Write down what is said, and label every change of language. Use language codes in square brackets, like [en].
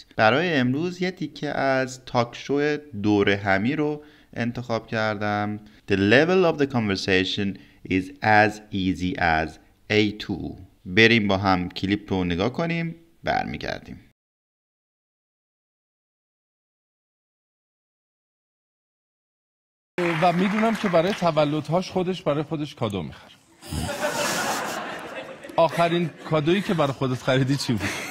[fa] برای امروز یه تیکه از تاک شو دورهمی رو انتخاب کردم. [en] The level of the conversation is as easy as A2. [fa] بریم با هم کلیپ رو نگاه کنیم، برمیگردیم. و میدونم که برای تولدهاش خودش برای خودش کادو میخره. آخرین کادویی که برای خودت خریدی چی بود؟